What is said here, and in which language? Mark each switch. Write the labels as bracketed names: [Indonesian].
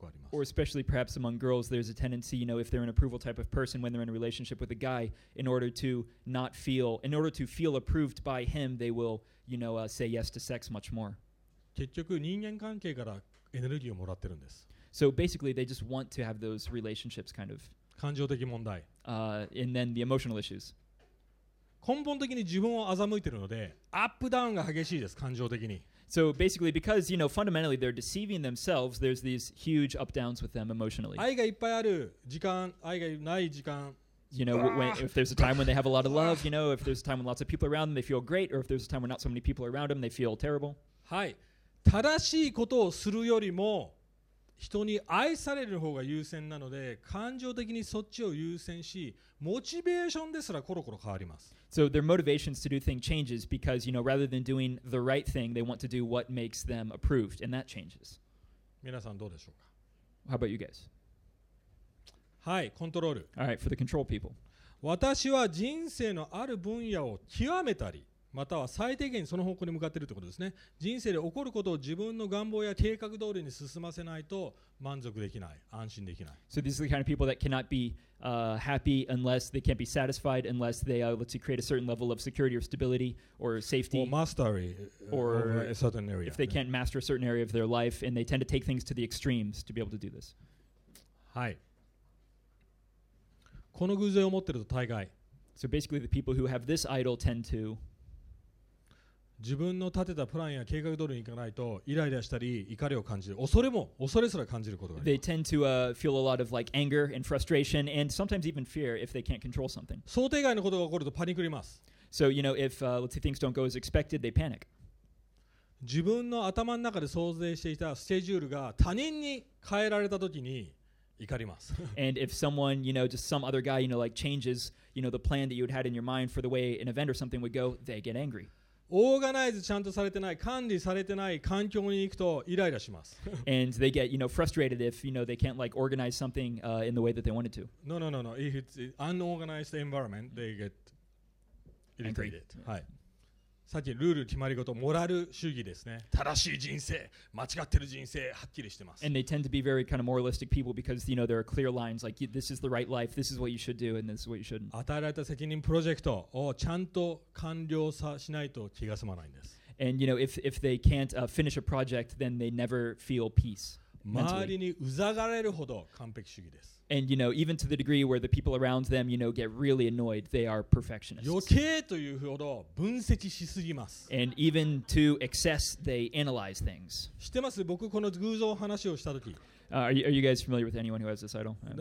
[English] Or especially perhaps among girls, there's a tendency, you know, if they're an approval type of person when they're in a relationship with a guy, in order to feel approved by him, they will, you know, say yes to sex much more. [Japanese] 結局人間関係からエネルギーをもらってるんです。 [English] So basically, they just want to have those relationships kind of. [Japanese] 感情的問題。 [English] And then the emotional issues. [Japanese] 根本的に自分を欺いてるので、アップダウンが激しいです、感情的に。 [English] So basically, because, you know, fundamentally they're deceiving themselves, there's these huge up-downs with them emotionally. [Japanese] 愛がいっぱいある時間、愛がない時間。 [English] You know, if there's a time when they have a lot of love, you know, if there's a time when lots of people are around them, they feel great, or if there's a time when not so many people are around them, they feel terrible. [Japanese] はい。正しいことをするよりも、人に愛される方が優先なので、感情的にそっちを優先し、モチベーションですらコロコロ変わります。 [English] So their motivations to do things changes because, you know, rather than doing the right thing, they want to do what makes them approved, and that changes. [Japanese] 皆さんどうでしょうか? [English] How about you guys? [Japanese] はい、コントロール。 [English] All right, for the control people. [Japanese] 私は人生のある分野を極めたり、または最低限その方向に向かっているということですね。人生で起こることを自分の願望や計画通りに進ませないと満足できない、安心できない。 [English] So these are the kind of people that cannot be happy unless they can't be satisfied unless they are able to create a certain level of security or stability or safety or mastery or a certain area. If they can't master a certain area of their life and they tend to take things to the extremes to be able to do this. [Japanese] はい。この偶像を持っていると大概。 [English] So basically the people who have this idol tend to [Japanese] 自分の立てたプランや計画通りに行かないとイライラしたり怒りを感じる恐れも恐れすら感じることがあります [English] They tend to feel a lot of like anger and frustration and sometimes even fear if they can't control something. [Japanese] 想定外のことが起こるとパニクります。 [English] So you know if let's say things don't go as expected, they panic. [Japanese] 自分の頭の中で想定していたスケジュールが他人に変えられたときに怒ります。 [English] And if someone, you know, just some other guy, you know, like changes, you know, the plan that you had in your mind for the way an event or something would go, they get angry. [Japanese] オーガナイズちゃんとされてない管理されてない環境に行くとイライラします。 [English] And they get, you know, frustrated if, you know, they can't like organize something in the way that they wanted to. No. If it's unorganized environment, they get irritated. Angry. [Japanese] はい。さっきルール決まり事、モラル主義ですね。正しい人生、間違ってる人生、はっきりしてます。 [English] And they tend to be very kind of moralistic people because, you know, there are clear lines like this is the right life, this is what you should do, and this is what you shouldn't. [Japanese] 与えられた責任プロジェクトをちゃんと完了さしないと気が済まないんです。 [English] And, you know, if they can't finish a project, then they never feel peace. [Japanese] 周りにうざがれるほど完璧主義です。 [English] And, you know, even to the degree where the people around them, you know, get really annoyed, they are perfectionists. [Japanese] 余計というほど分析しすぎます。 [English] And even to excess, they analyze things. [Japanese] 知ってます?僕この偶像話をしたとき。 [English] Are you guys familiar with anyone who has this idol?